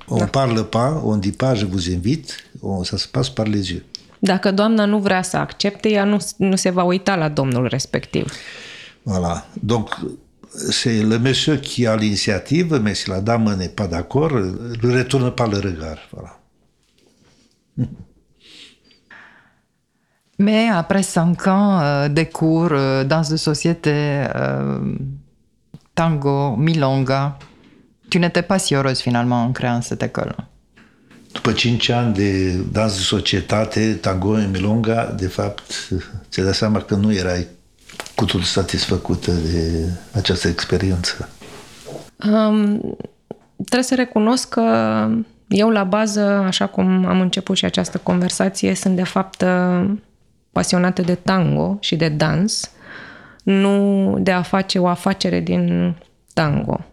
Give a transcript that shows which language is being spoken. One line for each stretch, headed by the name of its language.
French: Parle pas, on dit pas je vous invite, ça se passe par les yeux.
Romanian: Dacă doamna nu vrea să accepte, ea nu se va uita la domnul respectiv.
French: Voilà, donc c'est le monsieur qui a l'initiative, mais si la dame n'est pas d'accord, il retourne pas le regard. Voilà. Mais après 5 ans de cours dans une société tango, milonga, tu n'étais pas si heureuse finalement en créant cette école.
Romanian: După 5 ani de dans de societate, tango et milonga, de fapt, ți-ai dat seama că nu erai cu tot satisfăcută de această experiență. Trebuie să recunosc că eu la bază, așa cum am început și această conversație, sunt de fapt pasionată de tango și de dans, nu de a face o afacere din tango.